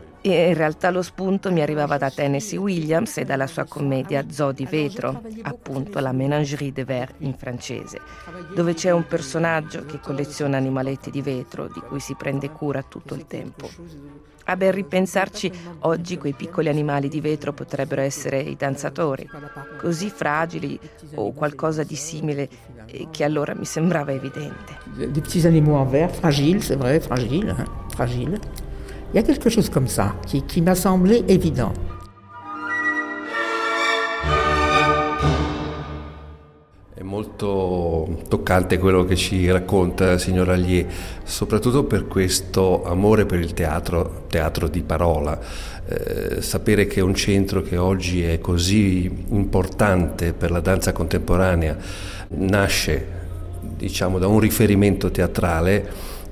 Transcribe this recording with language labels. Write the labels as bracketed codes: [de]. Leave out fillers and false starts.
[it] E in realtà lo spunto mi arrivava da Tennessee Williams e dalla sua commedia Zoo di vetro, appunto la Ménagerie de Verre in francese, dove c'è un personaggio che colleziona animaletti di vetro di cui si prende cura tutto il tempo. A ben ripensarci, oggi quei piccoli animali di vetro potrebbero essere i danzatori, così fragili o qualcosa di simile che allora mi sembrava evidente. [fr] Des petits animaux en verre, fragile, c'est vrai, fragile, fragile. Il y a quelque chose comme ça qui m'a semblé évident. [it] È molto toccante quello che ci racconta signor Allier, soprattutto per questo amore per il teatro, teatro di parola. Sapere che un centro che oggi è così importante per la danza contemporanea nasce, diciamo, da un riferimento teatrale.